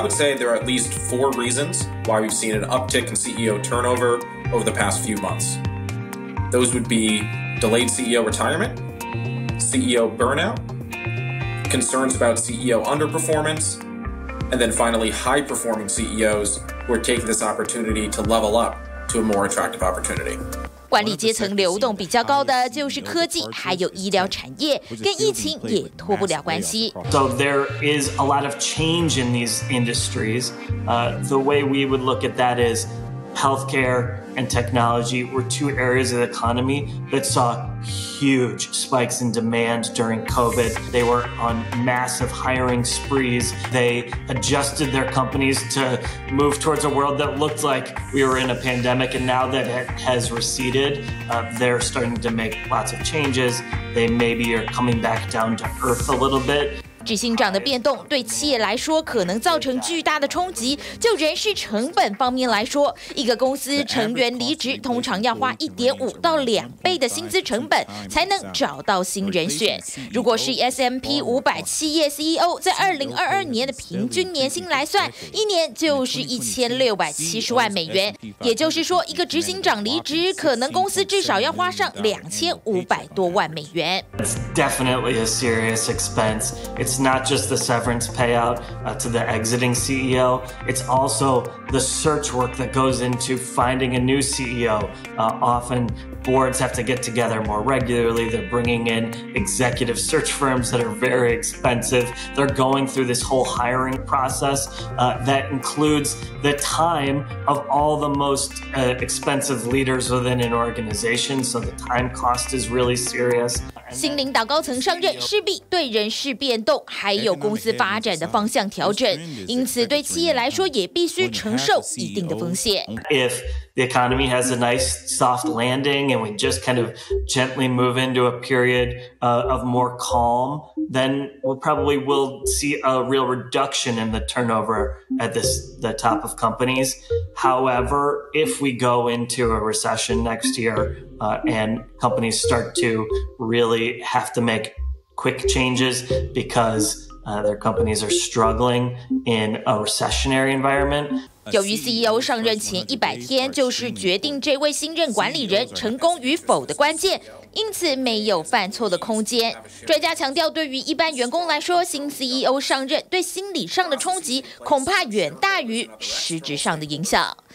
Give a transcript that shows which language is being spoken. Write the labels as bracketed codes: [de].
[en] would say there are at least four reasons why we've seen an uptick in CEO turnover over the past few months. Those would be delayed CEO retirement, CEO burnout, concerns about CEO underperformance. And then finally, high-performing CEOs who are taking this opportunity to level up to a more attractive opportunity. [zh] 管理阶层流动比较高的就是科技，还有医疗产业，跟疫情也脱不了关系。So [en] there is a lot of change in these industries. The way we would look at that is healthcare and technology were two areas of the economy that saw huge spikes in demand during COVID. They were on massive hiring sprees. They adjusted their companies to move towards a world that looked like we were in a pandemic. And now that it has receded, they're starting to make lots of changes. They maybe are coming back down to earth a little bit. [zh] 执行长的变动对企业来说可能造成巨大的冲击。就人事成本方面来说，一个公司成员离职通常要花 1.5 到2倍的薪资成本才能找到新人选。如果是 S&P 500企业 CEO 在2022年的平均年薪来算，一年就是1670万美元，也就是说一个执行长离职可能公司至少要花上2500多万美元。 [en] It's definitely a serious expense. It's not just the severance payout to the exiting CEO. It's also the search work that goes into finding a new CEO. Often boards have to get together more regularly. They're bringing in executive search firms that are very expensive. They're going through this whole hiring process that includes the time of all the most expensive leaders within an organization. So the time cost is really serious. [zh] 新领导高层上任势必对人事变动还有公司发展的方向调整，因此对企业来说也必须承受一定的风险。 [en] If the economy has a nice soft landing and we just kind of gently move into a period of more calm, then we probably will see a real reduction in the turnover at the top of companies. However, if we go into a recession next year and companies start to really have to make quick changes because their companies are struggling in a recessionary environment. [zh] 由于 CEO 上任前100天就是决定这位新任管理人成功与否的关键，因此没有犯错的空间。专家强调，对于一般员工来说，新 CEO 上任对心理上的冲击恐怕远大于实质上的影响。